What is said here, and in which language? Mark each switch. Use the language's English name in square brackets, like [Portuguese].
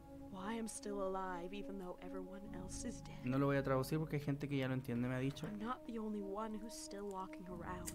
[English] Why I'm still alive even though everyone else is dead. [Spanish] No lo voy a traducir porque hay gente que ya lo entiende, me ha dicho. [English] I'm not the only one who's still walking around.